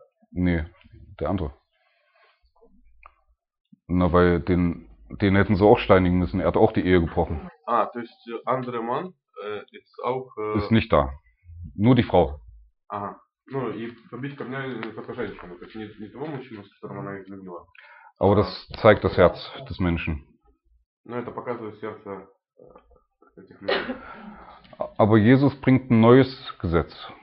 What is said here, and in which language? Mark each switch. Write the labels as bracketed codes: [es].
[de] Nee, der andere. Na, weil den hätten sie auch steinigen müssen. Er hat auch die Ehe gebrochen. Ah, das ist der andere Mann ist auch. Ist nicht da. Nur die Frau. Aha. [ru] Ну и побить камнями не только женщину, то есть не того мужчину, с которым она изменила. [de] Aber das zeigt das Herz des Menschen. [ru] Но это показывает сердце этих людей. [de] Aber Jesus bringt ein neues Gesetz.